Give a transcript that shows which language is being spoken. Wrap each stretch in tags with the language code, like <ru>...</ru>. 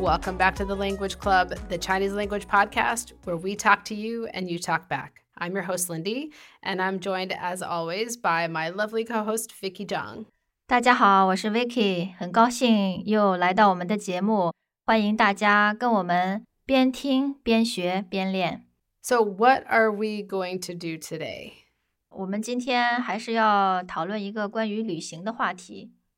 <en>Welcome back to the Language Club, the Chinese language podcast, where we talk to you and you talk back. I'm your host, Lindy, and I'm joined, as always, by my lovely co-host, Vicky Zhang.</en> <zh>大家好，我是 Vicky， 很高兴又来到我们的节目，欢迎大家跟我们边听边学边练。</zh> <en>So what are we going to do today?</en> <zh>我们今天还是要讨论一个关于旅行的话题。</zh>